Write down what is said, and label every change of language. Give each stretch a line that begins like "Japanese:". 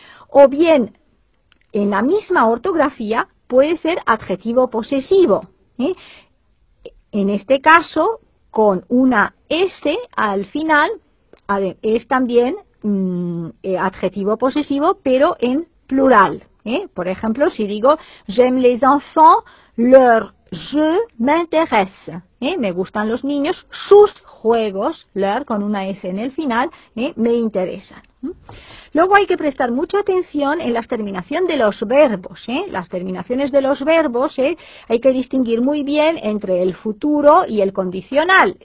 Spanish: O bien, en la misma ortografía puede ser adjetivo posesivo, en este caso, con una S al final, es también adjetivo posesivo, pero en plural. Por ejemplo, si digo,
French: j'aime les enfants, leur jeu m'intéresse.
Spanish: Me gustan los niños, sus juegos, leur con una S en el final, me interesan. Luego hay que prestar mucha atención en la terminación de los verbos. Las terminaciones de los verbos hay que distinguir muy bien entre el futuro y el condicional.